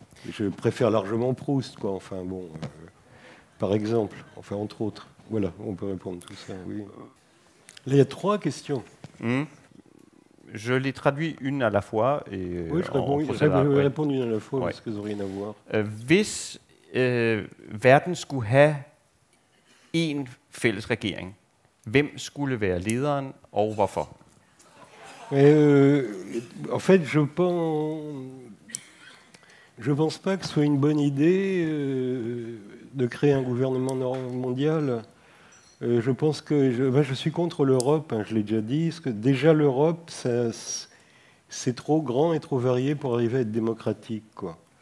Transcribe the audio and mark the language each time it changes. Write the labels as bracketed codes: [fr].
[fr] Je préfère largement Proust, quoi. Enfin, bon, par exemple, enfin, entre autres. Voilà, on peut répondre à tout ça, oui. Là, il y a trois questions. Je les traduis une à la fois. Et oui, je réponds, oui, je vais répondre une à la fois, parce que ça n'a rien à voir. [da] Hvis verden skulle have en fælles regering, hvem skulle være lederen, og hvorfor? [fr] En fait, je pense pas que ce soit une bonne idée de créer un gouvernement mondial. Je suis contre l'Europe, hein, je l'ai déjà dit. Parce que déjà, l'Europe, ça, c'est trop grand et trop varié pour arriver à être démocratique. Quoi.